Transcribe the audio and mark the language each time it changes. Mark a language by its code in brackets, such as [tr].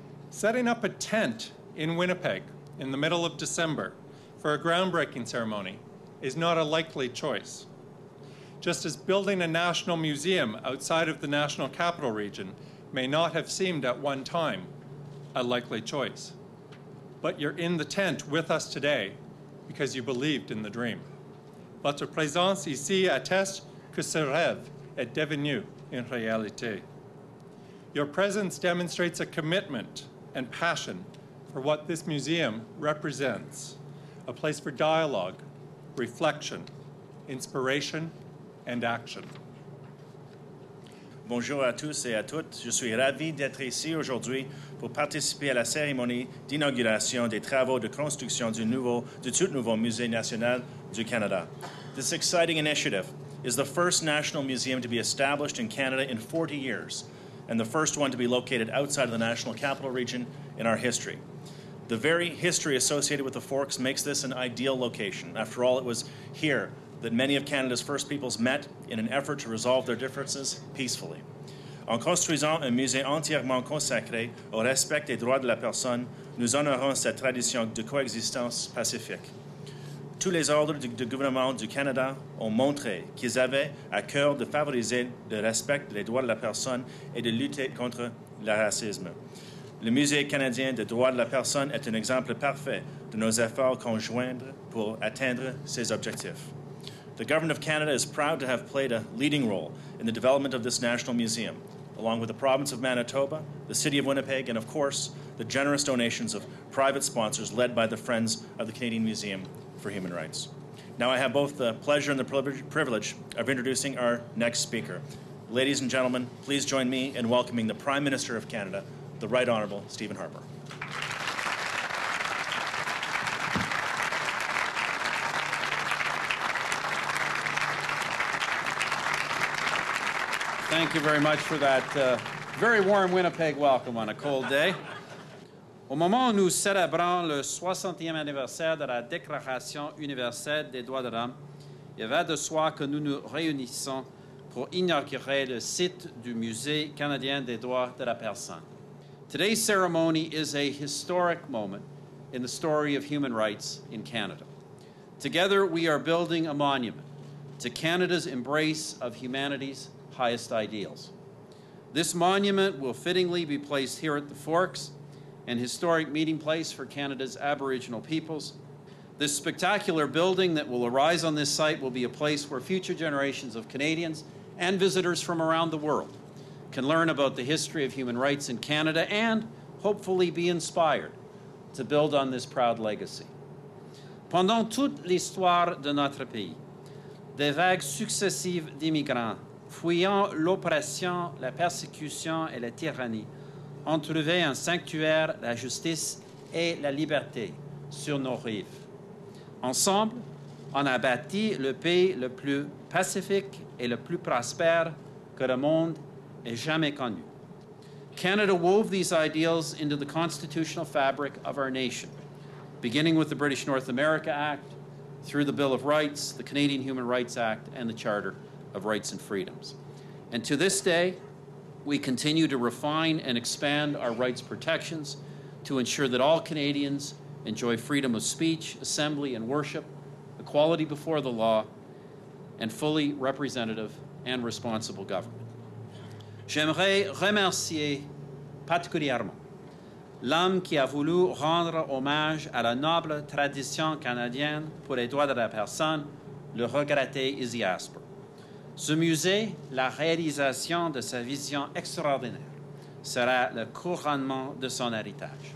[en] Setting up a tent in Winnipeg in the middle of December for a groundbreaking ceremony is not a likely choice. Just as building a national museum outside of the National Capital Region may not have seemed at one time a likely choice. But you're in the tent with us today because you believed in the dream. [fr] Votre présence ici atteste que ce rêve est devenu une réalité. [en] Your presence demonstrates a commitment and passion for what this museum represents, a place for dialogue, reflection, inspiration, and action. [fr] Bonjour à tous et à toutes. Je suis ravi d'être ici aujourd'hui pour participer à la cérémonie d'inauguration des travaux de construction du tout nouveau Musée national du Canada. [en] This exciting initiative is the first national museum to be established in Canada in 40 years, and the first one to be located outside of the National Capital Region in our history. The very history associated with the Forks makes this an ideal location. After all, it was here that many of Canada's first peoples met in an effort to resolve their differences peacefully. [fr] En construisant un musée entièrement consacré au respect des droits de la personne, nous honorons cette tradition de coexistence pacifique. Tous les ordres du gouvernement du Canada ont montré qu'ils avaient à cœur de favoriser le respect des droits de la personne et de lutter contre le racisme. Le Musée canadien des droits de la personne est un exemple parfait de nos efforts conjoints pour atteindre ces objectifs. [en] The Government of Canada is proud to have played a leading role in the development of this national museum, along with the province of Manitoba, the city of Winnipeg, and of course, the generous donations of private sponsors led by the Friends of the Canadian Museum for Human Rights. Now I have both the pleasure and the privilege of introducing our next speaker, Ladies and gentlemen, please join me in welcoming the Prime Minister of Canada, the Right Honourable Stephen Harper. Thank you very much for that very warm Winnipeg welcome on a cold day. [fr] Au moment où nous célébrons le 60e anniversaire de la Déclaration universelle des droits de l'homme, il va de soi que nous nous réunissons pour inaugurer le site du Musée canadien des droits de la personne. [en] Today's ceremony is a historic moment in the story of human rights in Canada. Together, we are building a monument to Canada's embrace of humanity's highest ideals. This monument will fittingly be placed here at the Forks, an historic meeting place for Canada's Aboriginal peoples. This spectacular building that will arise on this site will be a place where future generations of Canadians and visitors from around the world can learn about the history of human rights in Canada and hopefully be inspired to build on this proud legacy. [fr] Pendant toute l'histoire de notre pays, des vagues successives d'immigrants fuyant l'oppression, la persécution et la tyrannie, ont trouvé un sanctuaire, la justice et la liberté sur nos rives. Ensemble, on a bâti le pays le plus pacifique et le plus prospère que le monde ait jamais connu. [en] Canada wove these ideals into the constitutional fabric of our nation, beginning with the British North America Act, through the Bill of Rights, the Canadian Human Rights Act, and the Charter of Rights and Freedoms. And to this day, we continue to refine and expand our rights protections to ensure that all Canadians enjoy freedom of speech, assembly, and worship, equality before the law, and fully representative and responsible government. [fr] J'aimerais remercier particulièrement l'homme qui a voulu rendre hommage à la noble tradition canadienne pour les droits de la personne, le regretté Izzy Asper. Ce musée, la réalisation de sa vision extraordinaire, sera le couronnement de son héritage.